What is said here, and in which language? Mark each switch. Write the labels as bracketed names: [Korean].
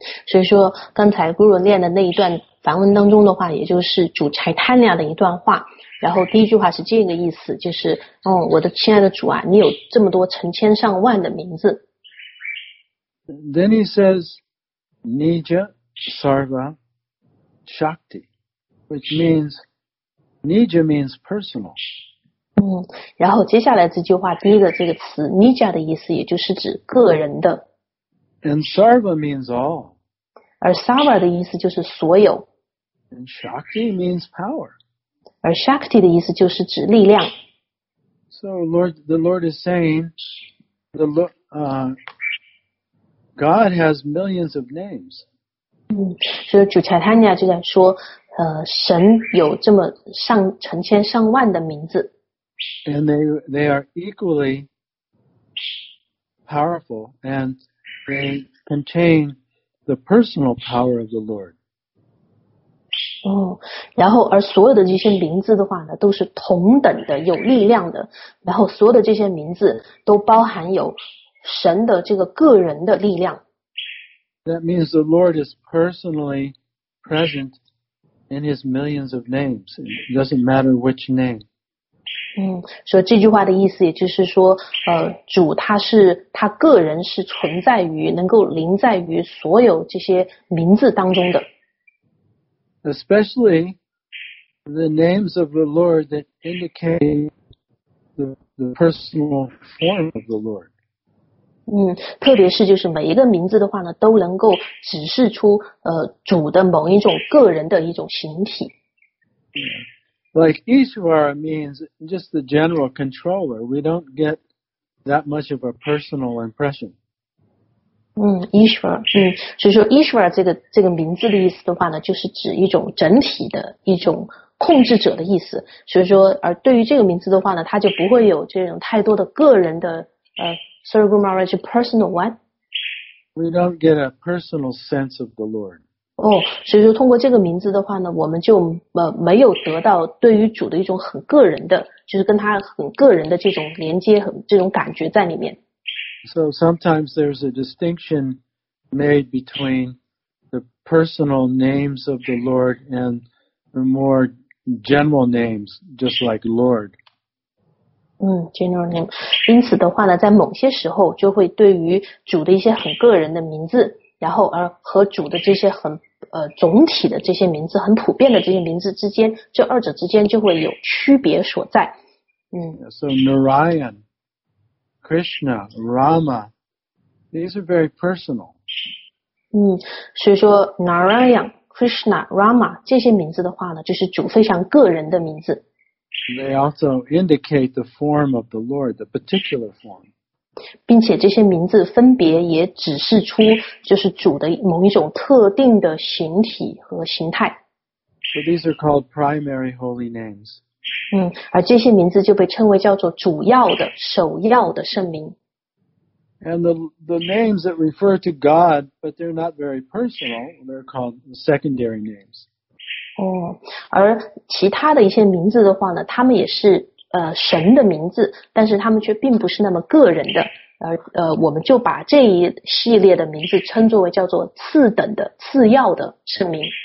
[Chinese] 所以说刚才 Guru 念的那一段梵文当中的话，也就是主柴坦尼亚的一段话。然后第一句话是这个意思，就是我的亲爱的主啊，你有这么多成千上万的名字。 [English] Then he says, Nija Sarva Shakti, which means, Nija means personal. [Chinese] 然后接下来这句话第一个这个词 Nija 的意思也就是指个人的。 [English] And Sarva means all. [Chinese] 而 Sarva 的意思就是所有。 [English] And Shakti means power. [Chinese] 而 Shakti 的意思就是指力量。 [English] So Lord, the Lord is saying, the God has millions of names. [Chinese] 所以主柴坦尼亚就在说，神有这么上成千上万的名字。 [English] And they are equally powerful, and they contain the personal power of the Lord. [Chinese] 然后而所有的这些名字的话呢，都是同等的有力量的，然后所有的这些名字都包含有神的这个个人的力量。 [English] That means the Lord is personally present in his millions of names. It doesn't matter which name. [Chinese] 所以这句话的意思也就是说主他个人是存在于能够临在于所有这些名字当中的。 [English] Especially the names of the Lord that indicate the personal form of the Lord. [Chinese] 特别是就是每一个名字的话呢，都能够指示出主的某一种个人的一种形体。 [English] Like Ishvara means just the general controller. We don't get that much of a personal impression. [Chinese] Ishvara, 所以说 Ishvara 这个名字的意思的话呢，就是指一种整体的一种控制者的意思。所以说，而对于这个名词的话呢，它就不会有这种太多的个人的 [English] celebrity marriage personal one。 We don't get a personal sense of the Lord. [Chinese] 哦，所以说通过这个名字的话呢，我们就没有得到对于主的一种很个人的，就是跟他很个人的这种连接和这种感觉在里面。 [English] So sometimes there's a distinction made between the personal names of the Lord and the more general names, just like Lord. General name. [Chinese] 因此的话呢，在某些时候就会对于主的一些很个人的名字，然后而和主的这些很总体的这些名字，很普遍的这些名字之间，这二者之间就会有区别所在。 [English] So Narayan, Krishna, Rama, these are very personal. [Chinese] 所以说 Narayan, Krishna, Rama 这些名字的话呢，就是主非常个人的名字。 [English] They also indicate the form of the Lord, the particular form. [Chinese] 并且这些名字分别也指示出就是主的某一种特定的形体和形态。 [English] So these are called primary holy names. [Chinese] 而这些名字就被称为叫做主要的、首要的圣名。 [English] And the names that refer to God, but they're not very personal, they're called secondary names. [Chinese] 而其他的一些名字的话呢，他们也是神的名字，但是他们却并不是那么个人的，我们就把这一系列的名字称作为叫做次等的、次要的圣名。